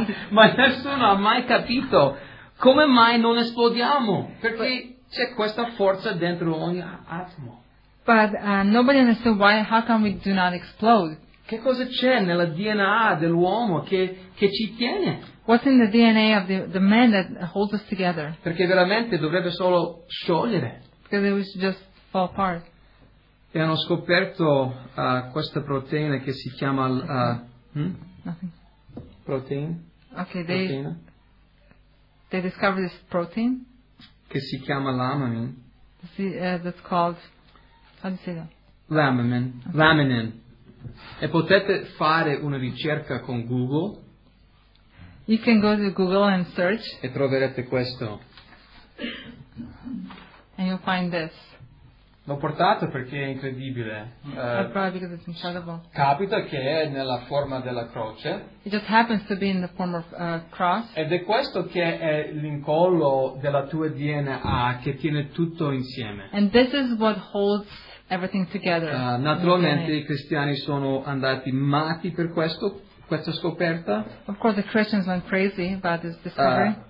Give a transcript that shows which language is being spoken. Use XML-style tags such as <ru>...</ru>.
<it>Ma nessuno ha mai capito come mai non esplodiamo, perché c'è questa forza dentro ogni atomo.</it> <en>But nobody understood why, how come we do not explode?</en> <it>Che cosa c'è nella DNA dell'uomo che ci tiene?</it> <en>What's in the DNA of the man that holds us together?</en> <it>Perché veramente dovrebbe solo sciogliere.</it> <en>Because it would just fall apart.</en> <it>E hanno scoperto questa proteina che si chiama protein.</it> <en>Okay, they discovered this protein.</en> <it>Che si chiama lamin.</it> <en>That's called, how do you say that?</en> <it>Lamin. Okay. Laminin. E potete fare una ricerca con Google.</it> <en>You can go to Google and search.</en> <it>E troverete questo.</it> <en>And you'll find this.</en> <it>L'ho portato perché è incredibile.</it> <en>It's incredible.</en> <it>Capita che è nella forma della croce.</it> <en>It just happens to be in the form of cross.</en> <it>Ed è questo che è l'incollo della tua DNA che tiene tutto insieme.</it> <en>And this is what holds everything together.</en> <it>Naturalmente i cristiani sono andati matti per questa scoperta.</it> <en>Of course the Christians went crazy about this discovery.</en>